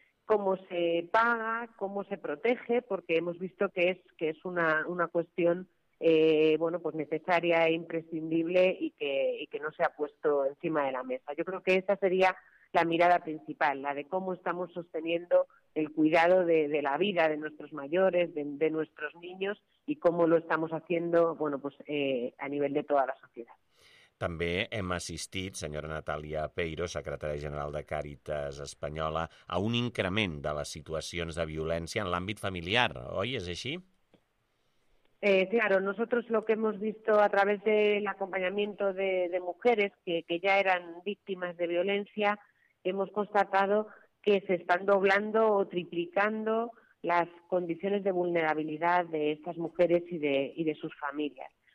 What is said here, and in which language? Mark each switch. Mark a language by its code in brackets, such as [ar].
[es] cómo se paga, cómo se protege, porque hemos visto que es una cuestión pues necesaria e imprescindible y que no se ha puesto encima de la mesa. Yo creo que esa sería la mirada principal, la de cómo estamos sosteniendo el cuidado de la vida de nuestros mayores, de nuestros niños, y cómo lo estamos haciendo a nivel de toda la sociedad. [ca] També hem assistit, senyora Natàlia Peiro, secretària general de Càritas Espanyola, a un increment de les situacions de violència en l'àmbit familiar, oi? És així? [es] Claro, nosotros lo que hemos visto a través del acompañamiento de mujeres que ya eran víctimas de violencia, hemos constatado que se están doblando o triplicando las condiciones de vulnerabilidad de estas mujeres y de sus familias.